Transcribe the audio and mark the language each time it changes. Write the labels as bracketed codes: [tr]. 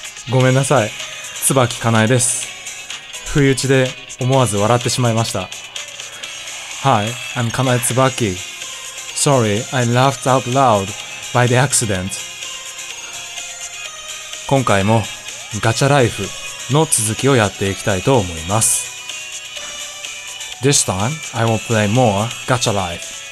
[ja] ごめんなさい、椿かなえです。不意打ちで思わず笑ってしまいました。 [en] Hi, I'm Kanae Tsubaki. Sorry, I laughed out loud by the accident. [ja] 今回もガチャライフの続きをやっていきたいと思います。 [en] This time, I will play more Gacha Life.